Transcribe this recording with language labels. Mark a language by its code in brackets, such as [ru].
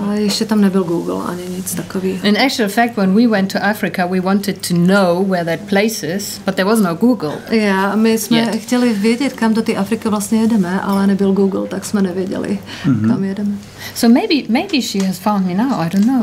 [cs] Ještě tam nebyl Google, ani nic takového. [en] In actual fact, when we went to Africa, we wanted to know where that place is, but there was no Google. [cs] Yeah, my jsme yet. Chtěli vědět, kam do té Afriky vlastně jedeme, ale nebyl Google, tak jsme nevěděli, kam jedeme. [en] So maybe she has found me now, I don't know.